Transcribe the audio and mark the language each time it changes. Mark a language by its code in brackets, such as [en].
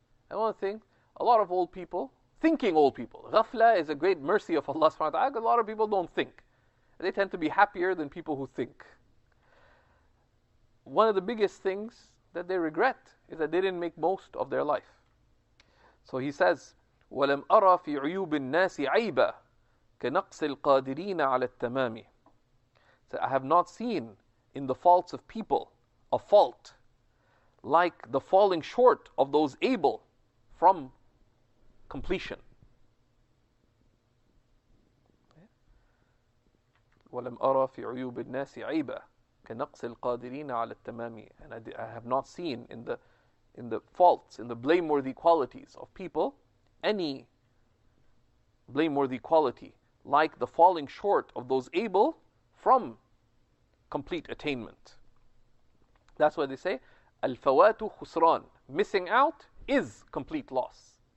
[en] And one thing, a lot of old people, thinking old people, ghafla is a great mercy of Allah subhanahu wa ta'ala, a lot of people don't think. They tend to be happier than people who think. One of the biggest things that they regret is that they didn't make most of their life. So he says, [ar] وَلَمْ أَرَى فِي عُيُوبِ النَّاسِ عَيْبًا كَنَقْصِ الْقَادِرِينَ عَلَى التَّمَامِ. [en] So I have not seen in the faults of people a fault like the falling short of those able from completion. [ar] ولم أرى في عيوب الناس عيبا كنقص القادرين على التمام. [en] And I have not seen in the faults, in the blameworthy qualities of people, any blameworthy quality like the falling short of those able from complete attainment. That's why they say [ar] الفوات خسران, [en] missing out is complete loss.